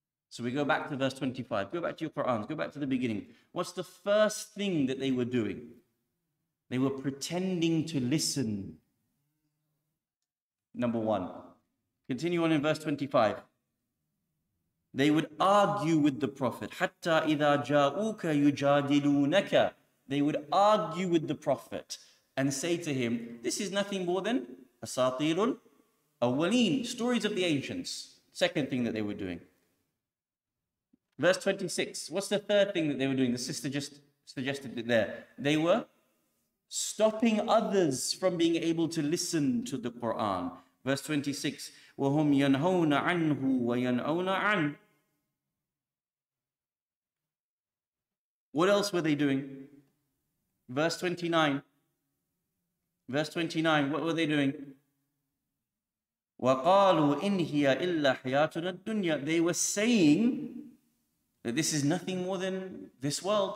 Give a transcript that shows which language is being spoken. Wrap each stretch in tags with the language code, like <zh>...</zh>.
<en>So we go back to verse 25. Go back to your Qur'ans. Go back to the beginning. What's the first thing that they were doing? They were pretending to listen. Number one. Continue on in verse 25. They would argue with the Prophet.</en> <ar>Hatta إِذَا جَاءُوكَ يُجَادِلُونَكَ.</ar> <en>They would argue with the Prophet and say to him, this is nothing more than asatirul Awwaleen, stories of the ancients. Second thing that they were doing. Verse 26, what's the third thing that they were doing? The sister just suggested it there. They were stopping others from being able to listen to the Quran.</en> <ar>Verse 26, وَهُمْ يَنْهَوْنَ عَنْهُ وَيَنْهَوْنَ عَنْ.</ar> <en>What else were they doing? Verse 29, what were they doing?</en> <ar>وَقَالُوا إِنْ هِيَ إِلَّا حِيَاتُنَا الدُّنْيَا.</ar> <en>They were saying that this is nothing more than this world.</en>